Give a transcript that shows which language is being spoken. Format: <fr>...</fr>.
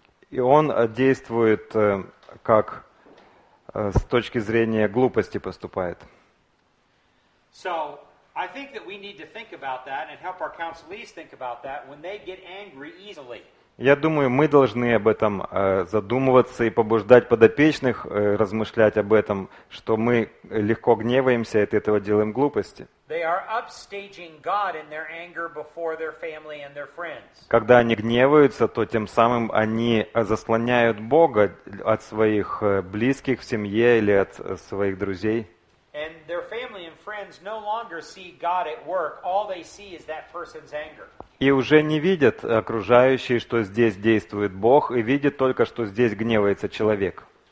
<ru>И он действует как с точки зрения глупости поступает.</ru> <en>So, I think that we need to think about that and help our counselees think about that when they get angry easily.</en> <ru>Я думаю, мы должны об этом задумываться и побуждать подопечных размышлять об этом, что мы легко гневаемся и от этого делаем глупости.</ru> <en>They are upstaging God in their anger before their family and their friends.</en> <ru>Когда они гневаются, то тем самым они заслоняют Бога от своих близких в семье или от своих друзей.</ru> <en>And their family and friends no longer see God at work. All they see is that person's anger.</en> <ru>И уже не видят окружающие, что здесь действует Бог, и видят только, что здесь гневается человек.</ru>